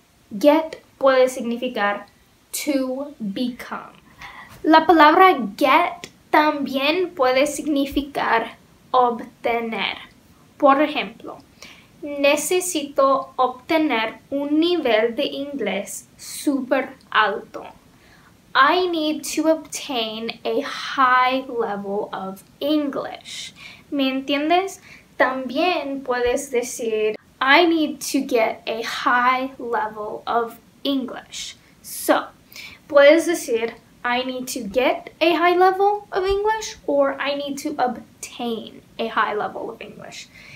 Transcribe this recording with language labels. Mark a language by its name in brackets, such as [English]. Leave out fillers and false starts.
[Spanish] Get puede significar [English] to become. [Spanish] La palabra get también puede significar obtener. Por ejemplo, necesito obtener un nivel de inglés super alto. [English] I need to obtain a high level of English. [Spanish] ¿Me entiendes? También puedes decir [English] I need to get a high level of English. So, [Spanish] puedes decir [English] I need to get a high level of English or I need to obtain a high level of English.